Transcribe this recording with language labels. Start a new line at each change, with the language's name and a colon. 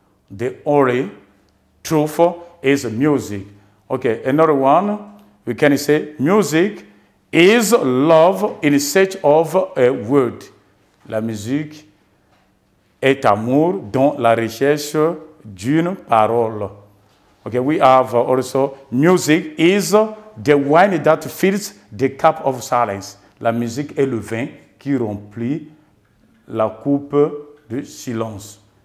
English: The only truth is music. Okay, another one. We can say music is love in search of a word.
French: La musique est amour dans la recherche d'une parole.
English: Okay, we have also music is the wine that fills the cup of silence.
French: La musique est le vin qui remplit la coupe du silence.